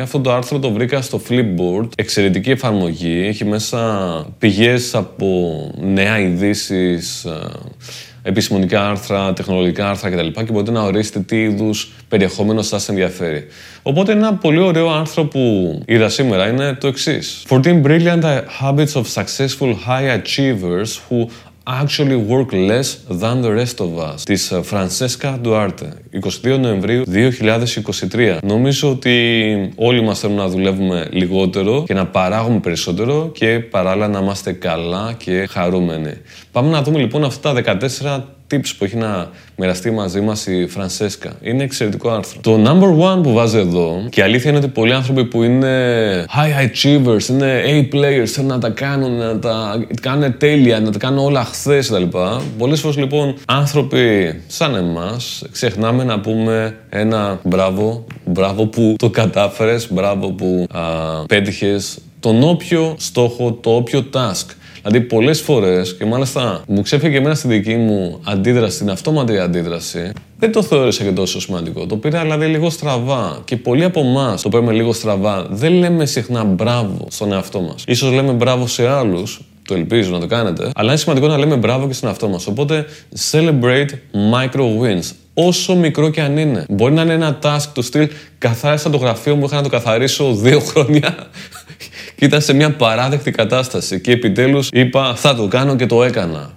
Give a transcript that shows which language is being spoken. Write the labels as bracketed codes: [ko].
[el] Αυτό το άρθρο το βρήκα στο Flipboard. Εξαιρετική εφαρμογή. Έχει μέσα πηγές από νέα ειδήσεις, επιστημονικά άρθρα, τεχνολογικά άρθρα κτλ. Και μπορείτε να ορίσετε τι είδους περιεχόμενο σας ενδιαφέρει. Οπότε ένα πολύ ωραίο άρθρο που είδα σήμερα είναι το εξής. [en] 14 brilliant habits of successful high achievers who actually work less than the rest of us. [el] Της Francesca Duarte. 22 Νοεμβρίου 2023. Νομίζω ότι όλοι μας θέλουμε να δουλεύουμε λιγότερο και να παράγουμε περισσότερο και παράλληλα να είμαστε καλά και χαρούμενοι. Πάμε να δούμε λοιπόν αυτά τα 14 tips που έχει να μοιραστεί μαζί μας η Francesca. Είναι εξαιρετικό άρθρο. Το number one που βάζει εδώ, και αλήθεια είναι ότι πολλοί άνθρωποι που είναι high achievers, είναι A players, θέλουν να τα κάνουν, να τα κάνουν τέλεια, να τα κάνουν όλα χθες κτλ. Πολλές φορές λοιπόν άνθρωποι σαν εμάς ξεχνάμε να πούμε ένα μπράβο, μπράβο που το κατάφερες, μπράβο που πέτυχες τον όποιο στόχο, το όποιο task. Δηλαδή πολλές φορές, και μάλιστα μου ξέφυγε και εμένα στη δική μου αντίδραση, την αυτόματη αντίδραση, δεν το θεώρησα και τόσο σημαντικό. Το πήρα δηλαδή λίγο στραβά και πολλοί από εμάς το παίρνουμε λίγο στραβά. Δεν λέμε συχνά μπράβο στον εαυτό μας. Ίσως λέμε μπράβο σε άλλους, το ελπίζω να το κάνετε, αλλά είναι σημαντικό να λέμε μπράβο και στον εαυτό μας. Οπότε, [en] celebrate micro wins. [el] Όσο μικρό και αν είναι. Μπορεί να είναι ένα task του στυλ καθάρισα το γραφείο μου, είχα να το καθαρίσω 2 χρόνια και ήταν σε μια παράδεκτη κατάσταση και επιτέλους είπα θα το κάνω και το έκανα.